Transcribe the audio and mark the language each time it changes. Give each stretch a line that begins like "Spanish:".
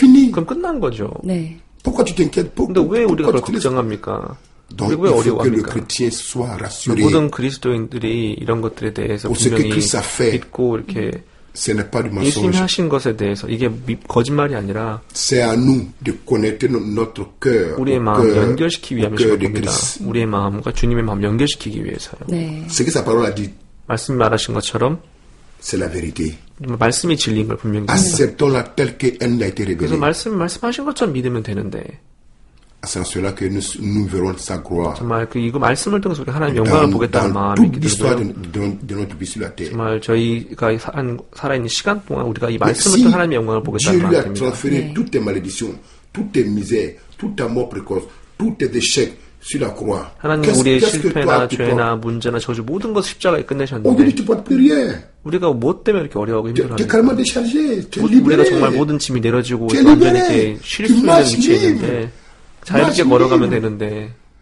Korean: 그럼 끝난 거죠. 네. 근데 왜 우리가 그걸 걱정합니까? 왜 어려워합니까? 모든 그리스도인들이 이런 것들에 대해서 분명히 믿고 이렇게.
French: Ce n'est pas du mensonge.
Korean: 예수님 하신 것에 대해서 이게 거짓말이 아니라
French: C'est à nous de connecter notre cœur,
Korean: 우리의 마음 cœur, 연결시키기 위함이십니다. 우리의 마음과 주님의 마음 연결시키기 위해서요. 네.
French: Que sa parole a dit,
Korean: 말씀 말하신 것처럼
French: C'est la vérité.
Korean: 말씀이 진리인 걸 분명히
French: Acceptons-la telle qu'elle a été révélée.
Korean: 그래서 말씀하신 것처럼 믿으면 되는데
French: C'est cela que nous verrons sa gloire.
Korean: 정말 그 이거 말씀을 통해서 우리 하나님 영광을 보겠다는 마음이 들었어요. 정말 저희가 살아있는 시간 동안 우리가 이 말씀을 통해 하나님 영광을 보겠다는 마음이 들었어요.
French: Dieu lui a transféré toutes tes malédictions, toutes tes misères, toute ta mort précoce, tous tes échecs sur la croix.
Korean: 하나님 우리의 실패나 죄나 문제나 저주 모든 것을 십자가에 끝내셨는데. 우리가 뭐 때문에 이렇게 어려워하고 힘들어하는지. 우리가 정말 모든 짐이 내려지고 완전히 쉴 수 있는 위치에 있는데. 자유롭게 걸어가면 되는데.